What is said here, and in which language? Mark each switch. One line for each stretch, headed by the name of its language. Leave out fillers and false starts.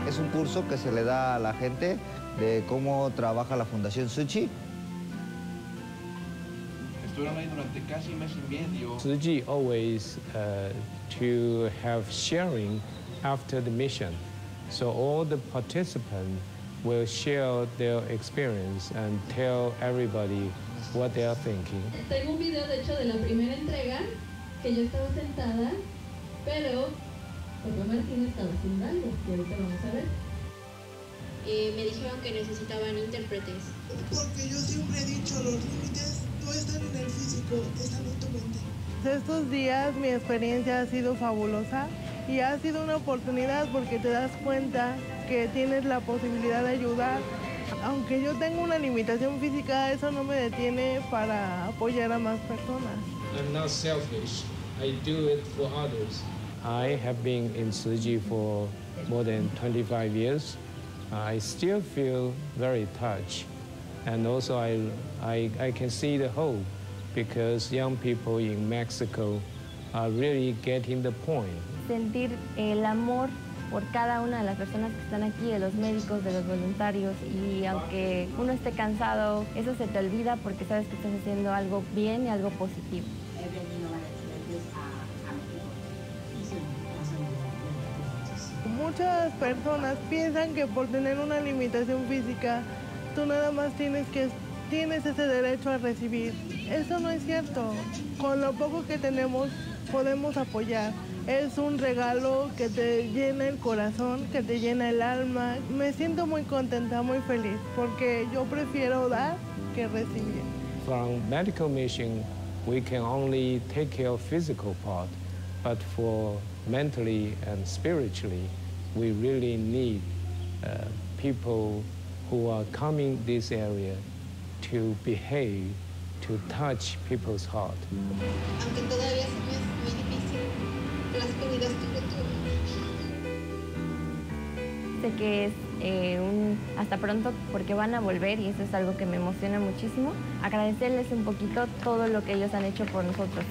Spanish: Es un curso que se le da a la gente de cómo trabaja la Fundación Tzu Chi.
English: Tzu Chi always to have sharing after the mission. So all the participants will share their experience and tell everybody what they are thinking.
Spanish: Tengo un video de hecho de la primera entrega, que yo estaba sentada, pero Papá Martín estaba haciendo algo, y ahorita vamos a ver. Me dijeron que necesitaban intérpretes. Porque yo siempre he dicho, los límites no están en el físico, están en tu mente. Estos días mi experiencia ha sido fabulosa y ha sido una oportunidad porque te das cuenta que tienes la posibilidad de ayudar. Aunque yo tengo una limitación física, eso no me detiene para apoyar a más personas.
English: I'm not selfish. I do it for others. I have been in Tzu Chi for more than 25 years. I still feel very touched. And also I can see the hope, because young people in Mexico are really getting the point.
Spanish: Sentir el amor por cada una de las personas que están aquí, de los médicos, de los voluntarios, y aunque uno esté cansado, eso se te olvida porque sabes que estás haciendo algo bien y algo positivo. Muchas personas piensan que por tener una limitación física, tú nada más tienes ese derecho a recibir. Eso no es cierto. Con lo poco que tenemos, podemos apoyar. Es un regalo que te llena el corazón, que te llena el alma. Me siento muy contenta, muy feliz, porque yo prefiero dar que recibir.
English: From medical mission, we can only take care of physical part, but for mentally and spiritually, we really need people who are coming this area to behave, to touch people's heart.
Spanish: Aunque todavía se me es muy difícil, las comidas tuve tú. Sé que es un hasta pronto porque van a volver y eso es algo que me emociona muchísimo. Agradecerles un poquito todo lo que ellos han hecho por nosotros.